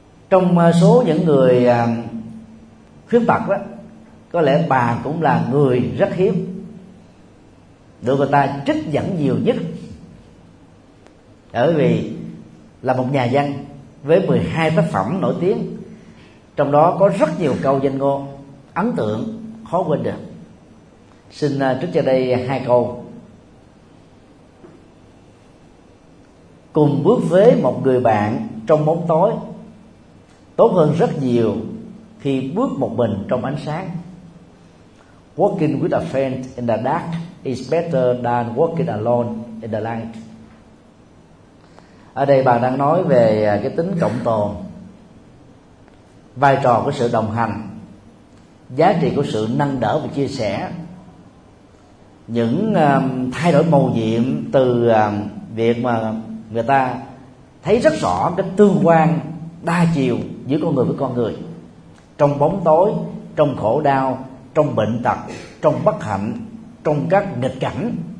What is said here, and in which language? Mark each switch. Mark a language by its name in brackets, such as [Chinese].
[Vietnamese] Trong số những người khuyết tật đó, có lẽ bà cũng là người rất hiếm được người ta trích dẫn nhiều nhất, bởi vì là một nhà văn với 12 tác phẩm nổi tiếng, trong đó có rất nhiều câu danh ngôn ấn tượng khó quên được. Xin trích cho đây hai câu: cùng bước với một người bạn trong bóng tối tốt hơn rất nhiều khi bước một mình trong ánh sáng. [English] Walking with a friend in the dark is better than walking alone in the light. [Vietnamese] Ở đây bà đang nói về cái tính cộng tồn, vai trò của sự đồng hành, giá trị của sự nâng đỡ và chia sẻ. Những thay đổi màu nhiệm từ việc mà người ta thấy rất rõ cái tương quan đa chiều giữa con người với con người, trong bóng tối, trong khổ đau, trong bệnh tật, trong bất hạnh, trong các nghịch cảnh.